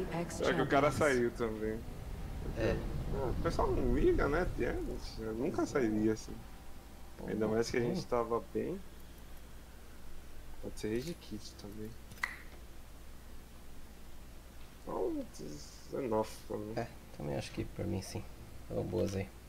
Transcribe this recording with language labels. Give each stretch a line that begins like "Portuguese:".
Portuguese: Será que o cara saiu também? É. O pessoal não liga, né? Eu nunca sairia assim. Ainda mais que a gente tava bem. Pode ser Rage Kit também.
English: Oh, this is enough
Portuguese: pra mim. É, também acho que por mim sim. Tá boas aí.